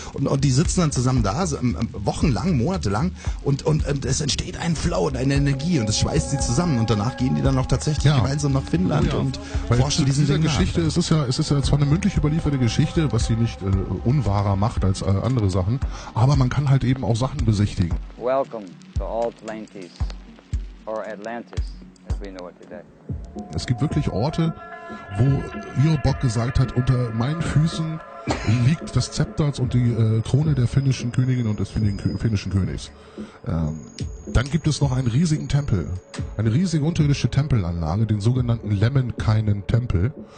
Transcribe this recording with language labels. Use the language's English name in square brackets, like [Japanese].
[German] Und die sitzen dann zusammen da, wochenlang, monatelang. Und es entsteht ein Flow und eine Energie und es schweißt sie zusammen. Und danach gehen die dann auch tatsächlich gemeinsam nach Finnland und forschen diesen Ding Geschichte, an. Es ist ja zwar eine mündlich überlieferte Geschichte, was sie nicht unwahrer macht als andere Sachen, aber man kann halt eben auch Sachen besichtigen. [English] Welcome. The Atlantis, or Atlantis, as we know it today. [German] Es gibt wirklich Orte, wo Ior Bock gesagt hat, unter meinen Füßen liegt das Zepter und die Krone der finnischen Königin und des finnischen Königs. Dann gibt es noch einen riesigen Tempel, eine riesige unterirdische Tempelanlage, den sogenannten Lemminkainen-Tempel.